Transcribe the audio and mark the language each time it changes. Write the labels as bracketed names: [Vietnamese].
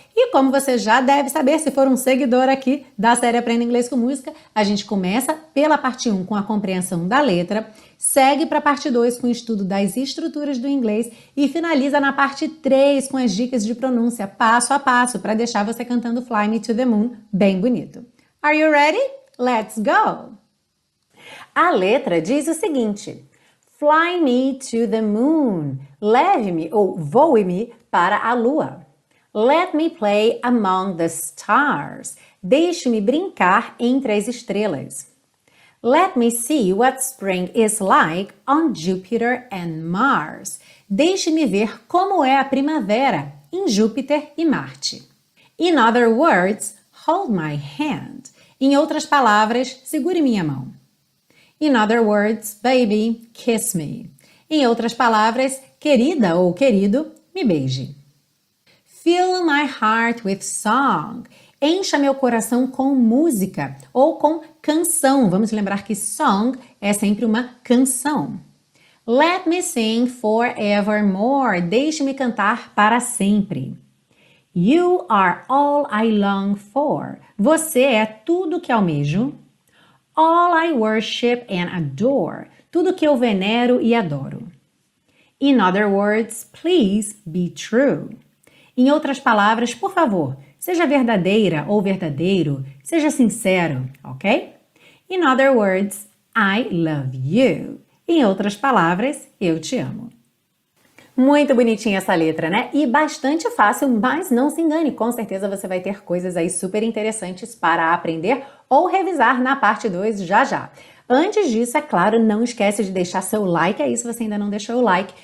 [Portuguese] E como você já deve saber, se for um seguidor aqui da série Aprenda Inglês com Música, a gente começa pela parte 1 com a compreensão da letra, segue para a parte 2 com o estudo das estruturas do inglês e finaliza na parte 3 com as dicas de pronúncia passo a passo para deixar você cantando Fly Me to the Moon bem bonito. [English] Are you ready? Let's go! [Portuguese] A letra diz o seguinte: [English] Fly me to the moon, [Portuguese] leve-me ou voe-me para a lua. [English] Let me play among the stars. [Portuguese] Deixe-me brincar entre as estrelas. [English] Let me see what spring is like on Jupiter and Mars. [Portuguese] Deixe-me ver como é a primavera em Júpiter e Marte. [English] In other words, hold my hand. [Portuguese] Em outras palavras, segure minha mão. [English] In other words, baby, kiss me. [Portuguese] Em outras palavras, querida ou querido, me beije. [English] Fill my heart with song. [Portuguese] Encha meu coração com música ou com canção. Vamos lembrar que song é sempre uma canção. [English] Let me sing forevermore. [Portuguese] Deixe-me cantar para sempre. [English] You are all I long for. [Portuguese] Você é tudo que almejo. [English] All I worship and adore. [Portuguese] Tudo que eu venero e adoro. [English] In other words, please be true. [Portuguese] Em outras palavras, por favor, seja verdadeira ou verdadeiro, seja sincero, ok? [English] In other words, I love you. [Portuguese] Em outras palavras, eu te amo. Muito bonitinha essa letra, né? E bastante fácil, mas não se engane, com certeza você vai ter coisas aí super interessantes para aprender ou revisar na parte 2 já já. Antes disso, é claro, não esquece de deixar seu like aí se você ainda não deixou o like.